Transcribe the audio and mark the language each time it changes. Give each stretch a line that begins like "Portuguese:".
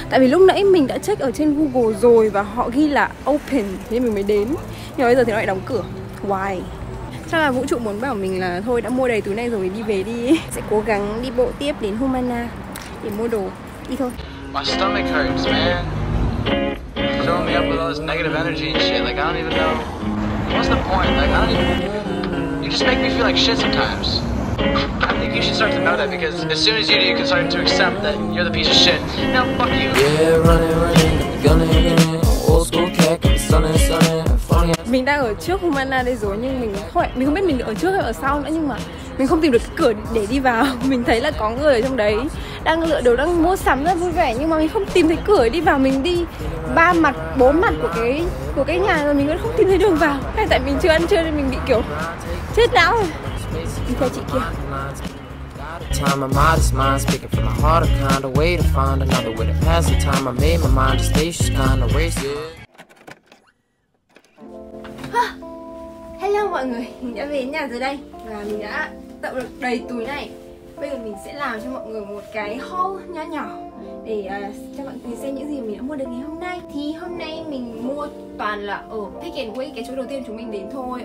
Vietnamese: Tại vì lúc nãy mình đã check ở trên Google rồi và họ ghi là open, nên mình mới đến. Nhưng bây giờ thì nó lại đóng cửa.
English: Why?
Vietnamese: Chắc là vũ trụ muốn bảo mình là thôi, đã mua đầy túi này rồi, đi về đi. Sẽ cố gắng đi bộ tiếp đến Humana để mua đồ. Đi thôi.
English: My stomach hurts, man. filling me up with all this negative energy and shit. Like, I don't even know. What's the point? Like, I don't even. You just make me feel like shit sometimes. I think you should start to know that, because as soon as you do, you can start to accept that you're the piece of shit. Now, fuck you. Yeah, running, old school kick, sunny.
Vietnamese: Mình đang ở trước Humana đây rồi, nhưng mình không biết mình ở trước hay ở sau nữa, nhưng mà mình không tìm được cái cửa để đi vào. Mình thấy là có người ở trong đấy đang lựa đồ, đang mua sắm rất vui vẻ, nhưng mà mình không tìm thấy cửa đi vào. Mình đi ba mặt bốn mặt của cái nhà rồi, mình vẫn không tìm thấy đường vào. Hay tại mình chưa ăn trưa nên mình bị kiểu chết não rồi. Mình theo chị kia.
English: Time, I'm out of mind, speaking from my heart, a kind of way to find another way to pass the time. I made my mind to stay, she's kind of wasted.
Vietnamese: Hello mọi người, mình đã về đến nhà rồi đây. Và mình đã tận được đầy túi này. Bây giờ mình sẽ làm cho mọi người một cái haul nhỏ nhỏ để cho mọi người xem những gì mình đã mua được ngày hôm nay. Thì hôm nay mình mua toàn là ở Pick and Wait, cái chỗ đầu tiên chúng mình đến thôi.